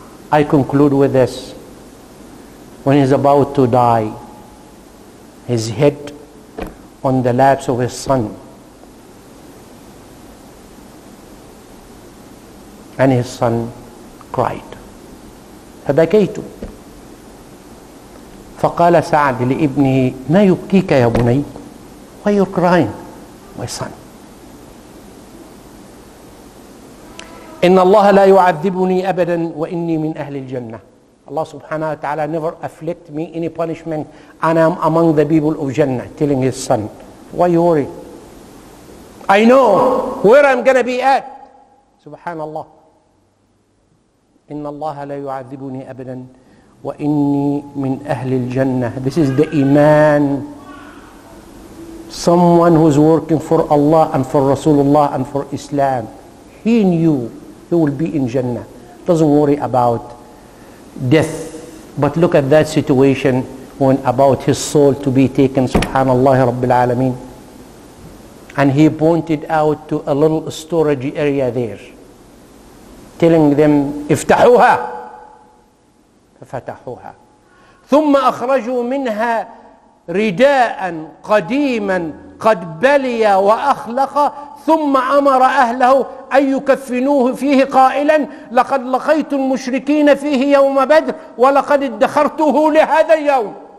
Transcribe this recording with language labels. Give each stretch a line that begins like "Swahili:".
English: I conclude with this. When he's about to die, his head on the laps of his son, and his son cried.
Arabic: فبكيت. فقال سعد لابنه ما يبكيك يا بني.
English: Why you crying, my son?
Arabic: إن الله لا يعذبني أبدا وإني من أهل الجنة.
English: Allah subhanahu wa ta'ala never afflict me any punishment and I am among the people of Jannah. Telling his son. Why you worry? I know where I'm gonna be at. Subhanallah.
Arabic: إن الله لا يعذبني أبدا وإني من أهل الجنة.
English: This is the iman. Someone who is working for Allah and for Rasulullah and for Islam. He knew he will be in Jannah. Doesn't worry about death. But look at that situation when about his soul to be taken.
Arabic: Subhanallah رب العالمين.
English: And he pointed out to a little storage area there, telling them,
Arabic: افتحوها. ففتحوها. ثم أخرجوا منها رداء قديما قد بلي وأخلق ثم أمر أهله أن يكفنوه فيه قائلا لقد لقيت المشركين فيه يوم بدر ولقد ادخرته لهذا اليوم.